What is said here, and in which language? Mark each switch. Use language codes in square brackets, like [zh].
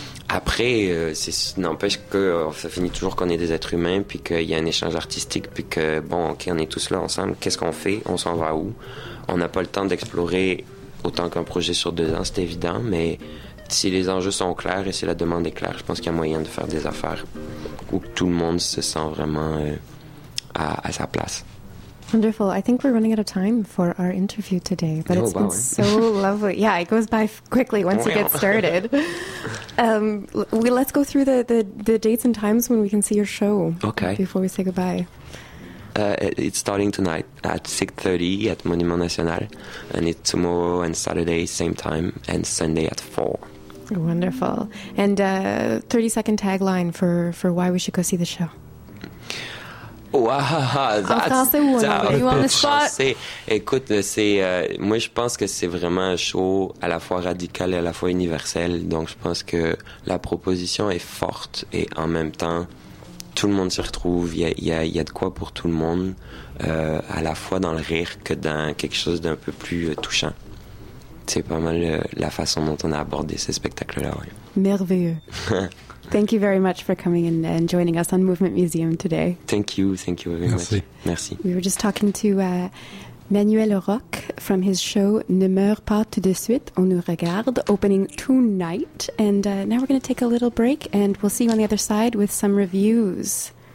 [fr] Après, c'est, n'empêche que ça finit toujours qu'on est des êtres humains, puis qu'il y a un échange artistique, puis que bon, ok, on est tous là ensemble, qu'est-ce qu'on fait, on s'en va où, on n'a pas le temps d'explorer autant qu'un projet sur 2 ans, c'est évident, mais si les enjeux sont clairs et si la demande est claire, je pense qu'il y a moyen de faire des affaires où tout le monde se sent vraiment à sa place. [en] Wonderful. I think we're running out of time for our interview today, but it's been so lovely. Yeah, it goes by quickly once you get started. Let's go through the dates and times when we can see your show. Okay. Before we say goodbye. It's starting tonight at 6:30 at Monument National, and it's tomorrow and Saturday same time, and Sunday at 4. Wonderful. And 30-second tagline for why we should go see the show. Wow, that's [fr] a écoute, c'est moi, je pense que c'est vraiment un show à la fois radical et à la fois universel. Donc, je pense que la proposition est forte et en même temps, tout le monde s'y retrouve. Il y a de quoi pour tout le monde, à la fois dans le rire que dans quelque chose d'un peu plus touchant. C'est pas mal la façon dont on a abordé ce spectacle-là. Ouais. Merveilleux. [en] Thank you very much for coming and joining us on Movement Museum today. Thank you very [fr] Merci. [en] Much. [fr] Merci. [en] We were just talking to Manuel Roque from his show Ne meurs pas tout de suite, on nous regarde, opening tonight. And now we're going to take a little break and we'll see you on the other side with some reviews.